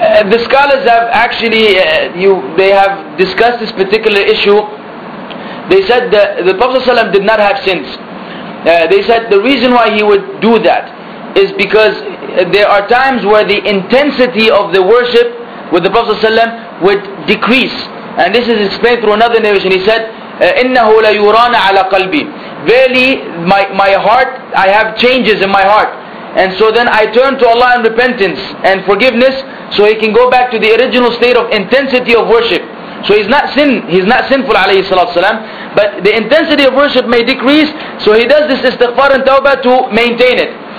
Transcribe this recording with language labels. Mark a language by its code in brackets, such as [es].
[en] The scholars have actually they have discussed this particular issue. They said that the Prophet ﷺ did not have sins. They said the reason why he would do that is because there are times where the intensity of the worship with the Prophet ﷺ would decrease. And this is explained through another narration. [ar] He said, إِنَّهُ لَيُرَانَ عَلَى قَلْبِي. [en] Verily, my heart, I have changes in my heart. And so then I turn to Allah in repentance and forgiveness, so he can go back to the original state of intensity of worship. So he's not sinful alayhi salatu wasalam, but the intensity of worship may decrease, so he does this istighfar and tawbah to maintain it.